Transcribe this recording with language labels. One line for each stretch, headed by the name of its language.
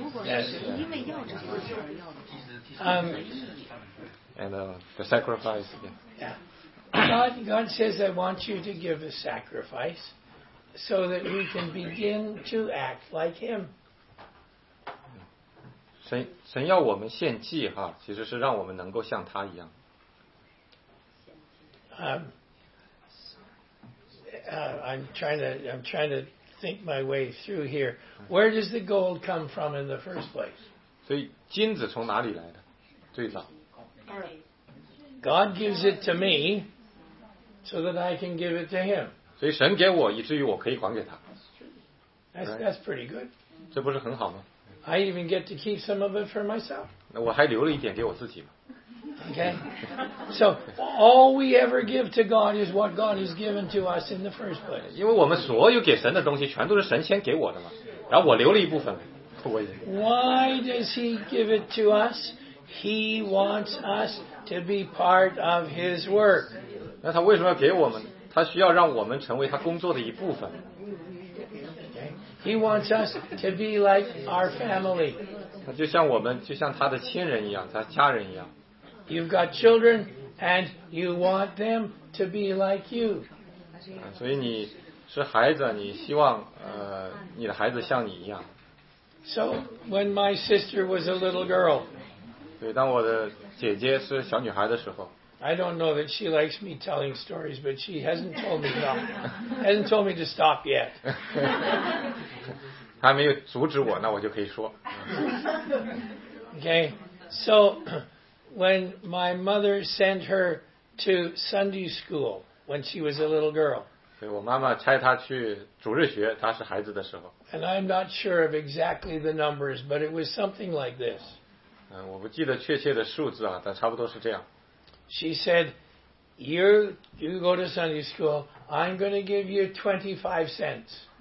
English: Yes. And the sacrifice, yeah. God says, I want you to give a sacrifice so that we can begin to act like Him.
Chinese: 神要我们献祭, 哈, 其实是让我们能够像他一样。
English: I'm trying to think my way through here. Where does the gold come from in the first place?
Chinese: 所以金子从哪里来的?最早。
English: God gives it to me so that I can give it to Him.
Chinese: 所以神给我, 以至于我可以还给他。
English: That's pretty good.
Chinese: 这不是很好吗?
English: I even get to keep some of it for myself.
Chinese: 我还留了一点给我自己嘛。
English: Okay? So, all we ever give to God is what God has given to us in the first place.
Chinese: 因为我们所有给神的东西全都是神先给我的嘛。然后我留了一部分。
English: Why does He give it to us? He wants us to be part of His work.
Chinese: 那他为什么要给我们? 他需要让我们成为他工作的一部分。
English: He wants us to be like our family.
Chinese: 就像我们,就像他的亲人一样,他家人一样。
English: You've got children and you want them to be like you.
Chinese: 所以你是孩子,你希望你的孩子像你一样。
English: So when my sister was a little girl,
Chinese: 对,当我的姐姐是小女孩的时候,
English: I don't know that she likes me telling stories, but she hasn't told me no. Hasn't told me to stop yet.
Chinese: 她没有阻止我,
English: okay. So when my mother sent her to Sunday school when she was a little girl.
Chinese: 对,我妈妈差她去主日学,
English: and I'm not sure of exactly the numbers, but it was something like this.
Chinese: 我不记得确切的数字啊,
English: she said, you go to Sunday school, I'm going to give you 25 cents.